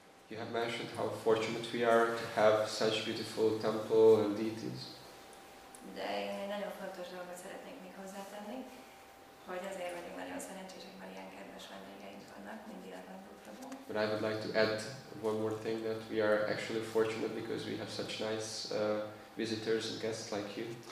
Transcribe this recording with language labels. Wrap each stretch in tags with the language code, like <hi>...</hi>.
<en>You have mentioned how fortunate we are to have such beautiful temple and deities.</en> <hu>De én egy nagyon fontos dolgot szeretnék még hozzátenni, hogy azért vagyunk nagyon szerencsések, mert ilyen kedves vendégeink vannak, mint Illanthu</hu> <en>Prabhu. But I would like to add one more thing, that we are actually fortunate because we have such nice visitors and guests like you.</en>